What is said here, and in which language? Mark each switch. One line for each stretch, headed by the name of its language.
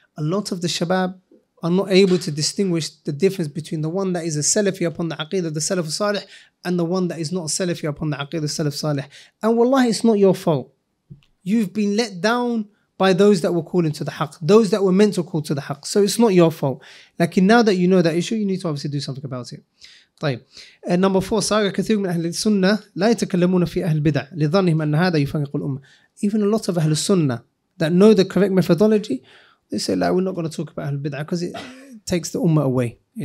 English: A lot of the shabab are not able to distinguish the difference between the one that is a Salafi upon the Aqeedah, the Salaf Salih, and the one that is not a Salafi upon the Aqeedah, the Salaf Salih. And wallahi, it's not your fault. You've been let down by those that were calling to the Haqq, those that were meant to call to the Haqq. So it's not your fault. Like, now that you know that issue, you need to obviously do something about it.
Arabic: طيب.
English: Number four,
Arabic: صار كثير من أهل السنة لا يتكلمون في أهل البدع لظنهم أن هذا يفرق الأمة.
English: Even a lot of Ahlus Sunnah that know the correct methodology, they say, like, we're not going to talk about Ahlul Bid'ah because it takes the Ummah away.